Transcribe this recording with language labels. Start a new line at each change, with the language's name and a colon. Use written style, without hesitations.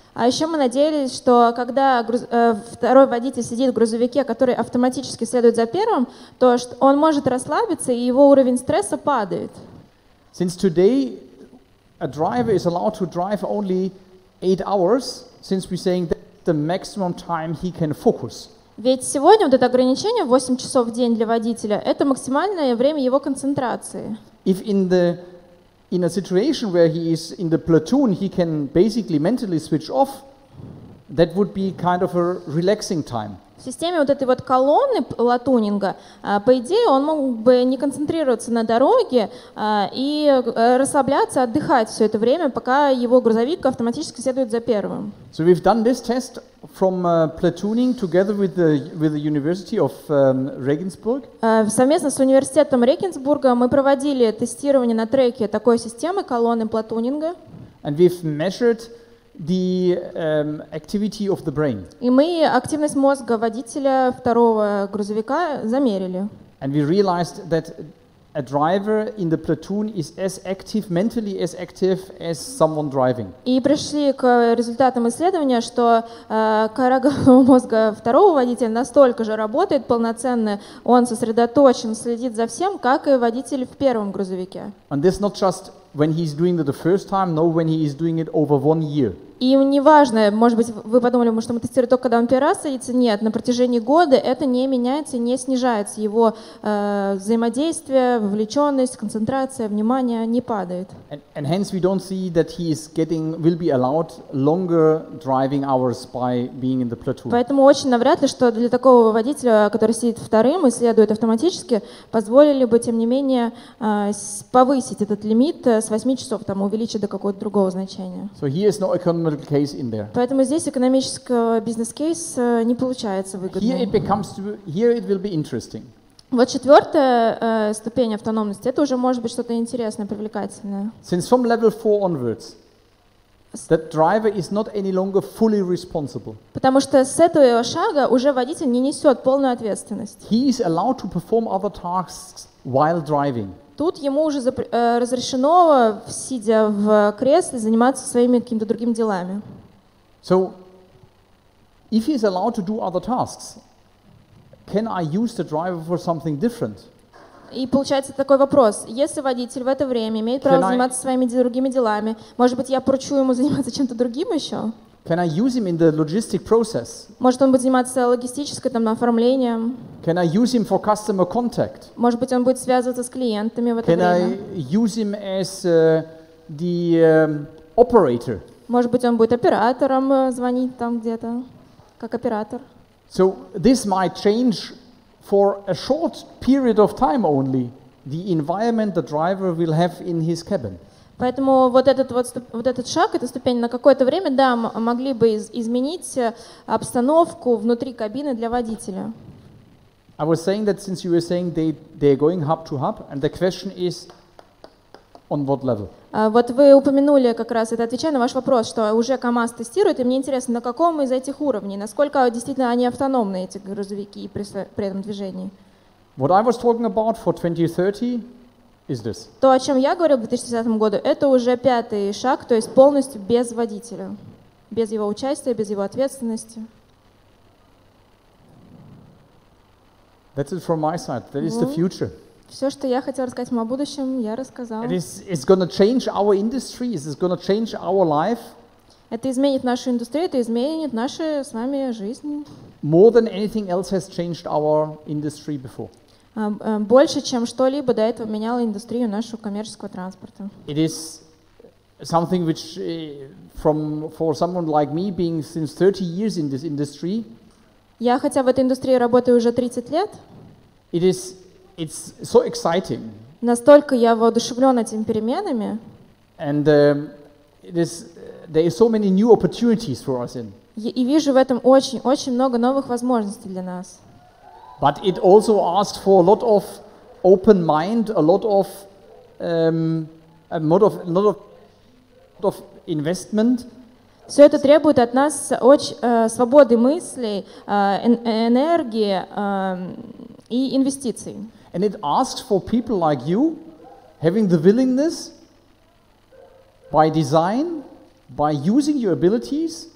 Russian: А еще мы надеялись, что когда второй водитель сидит в грузовике, который автоматически следует за первым, то он может расслабиться, и его уровень стресса падает.
English: Since today a driver is allowed to drive only 8 hours, since we're saying that the maximum time he can focus.
Russian: Ведь сегодня вот это ограничение 8 часов в день для водителя – это максимальное время его концентрации.
English: If in the in a situation where he is in the platoon, he can basically mentally switch off, that would be kind of a relaxing time.
Russian: В системе вот этой вот колонны платунинга, по идее, он мог бы не концентрироваться на дороге и расслабляться, отдыхать все это время, пока его грузовик автоматически следует за первым.
English: So we've done this test from platooning together with the University of Regensburg.
Russian: Совместно с университетом Регенсбурга мы проводили тестирование на треке такой системы колонны платунинга.
English: And we've measured the activity of the brain.
Russian: И мы активность мозга водителя второго грузовика замерили.
English: And we realized that a driver in the platoon is as active mentally as active as someone driving.
Russian: И пришли к результатам исследования, что кора головного мозга второго водителя настолько же работает полноценно, он сосредоточен, следит за всем, как и водитель в первом грузовике.
English: And this not just when he's doing it the first time, no, when he is doing it over 1 year.
Russian: И неважно, может быть, вы подумали, может, мы тестируем только, когда он первый раз садится. Нет, на протяжении года это не меняется, не снижается. Его взаимодействие, вовлеченность, концентрация, внимание не падает.
English: And hence we don't see that he is getting, will be allowed longer driving hours by being in the platoon.
Russian: Поэтому очень навряд ли, что для такого водителя, который сидит вторым и следует автоматически, позволили бы, тем не менее, повысить этот лимит с 8 часов, там, увеличить до какого-то другого значения.
English: So he has no case in there.
Russian: Поэтому здесь экономического бизнес-кейс не получается выгодным.
English: Here it becomes, here it will be interesting.
Russian: Вот четвертая ступень автономности, это уже может быть что-то интересное, привлекательное.
English: Since from level 4 onwards, the driver is not any longer fully responsible.
Russian: Потому что с этого шага уже водитель не несет полную ответственность.
English: He is allowed to perform other tasks while driving.
Russian: Тут ему уже разрешено, сидя в кресле, заниматься своими какими-то другими делами.
English: So, if he's allowed to do other tasks, can I use the driver for something different?
Russian: И получается такой вопрос. Если водитель в это время имеет право заниматься своими другими делами, может быть, я поручу ему заниматься чем-то другим еще?
English: Can I use him in the logistic process?
Russian: Может, он будет заниматься логистической там оформлением?
English: Can I use him for customer contact?
Russian: Может быть, он будет связываться с клиентами в это
English: Can
Russian: время?
English: Can I use him as the operator?
Russian: Может быть, он будет оператором звонить там где-то, как оператор?
English: So this might change for a short period of time only the environment the driver will have in his cabin.
Russian: Поэтому вот этот шаг, эта ступень на какое-то время, да, могли бы изменить обстановку внутри кабины для водителя.
English: I was saying that since you were saying they're going hub to hub, and the question is on what level?
Russian: Вот вы упомянули как раз, это отвечая на ваш вопрос, что уже КамАЗ тестирует, и мне интересно, на каком из этих уровней, насколько действительно они автономны, эти грузовики, при этом движении?
English: What I was talking about for 2030... Is this.
Russian: То, о чем я говорил в 2010 году, это уже пятый шаг, то есть полностью без водителя, без его участия, без его ответственности.
English: That's it from my side. That is the future.
Russian: Все, что я хотел рассказать вам о будущем, я рассказал.
English: It's going to change our industry. It's going to change our life.
Russian: Это изменит нашу индустрию, это изменит нашу с вами жизнь.
English: More than anything else has changed our industry before.
Russian: Больше, чем что-либо до этого меняло индустрию нашего коммерческого транспорта.
English: It is something which from for someone like me being since 30 years in this industry.
Russian: Я хотя в этой индустрии работаю уже 30 лет.
English: It's so exciting.
Russian: Настолько я воодушевлен этими переменами.
English: And there is so many new opportunities for us in.
Russian: И вижу в этом очень-очень много новых возможностей для нас.
English: But it also asked for a lot of open mind, a lot of a lot of investment.
Russian: Все это требует от нас свободы мыслей, энергии и инвестиций.
English: And it asks for people like you having the willingness by design, by using your abilities.